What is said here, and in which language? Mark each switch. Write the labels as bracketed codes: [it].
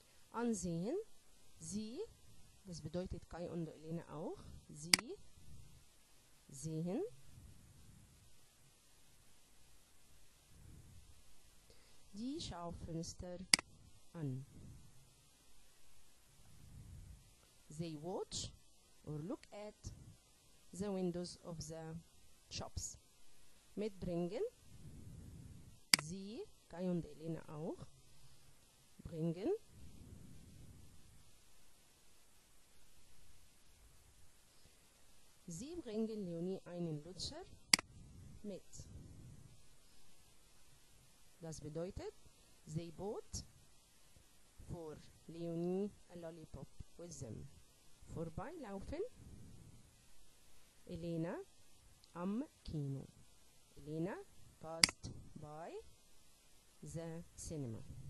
[de] Ansehen, sie, das bedeutet Kai und Elena auch, sie sehen die Schaufenster an. [en] They watch or look at the windows of the shops. [de] Mitbringen, sie, Kai und Elena auch, bringen sie bringen Leonie einen Lutscher mit. Das bedeutet, [en] they bought for Leonie a lollipop with them. [de] Vorbeilaufen, Elena am Kino. [en] Elena passed by the cinema.